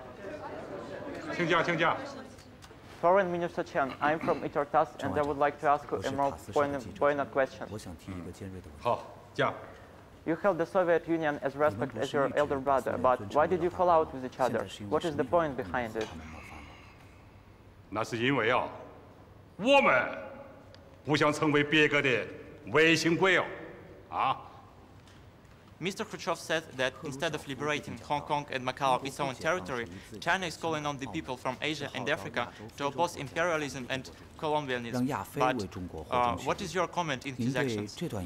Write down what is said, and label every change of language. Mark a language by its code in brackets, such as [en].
[zh] 你们是怎么打下来的？哦，这呀，是我们呢，拿着那个小竹竿竿，哎，给捅下来的。哎，那个将，好，请将，请将，请将。 [en] Foreign Minister Chen, I'm from ITER TASS, and I would like to ask you a more poignant question. [zh] 我想提一个尖锐的问题。好，讲。 [en] You held the Soviet Union as respect as your elder brother, but why did you fall out with each other? What is the point behind it? [zh] 那是因为啊，我们不想成为别个的卫星龟啊！啊。 [en] Mr. Khrushchev said that instead of liberating Hong Kong and Macau its own territory, China is calling on the people from Asia and Africa to oppose imperialism and colonialism. But what is your comment in his actions?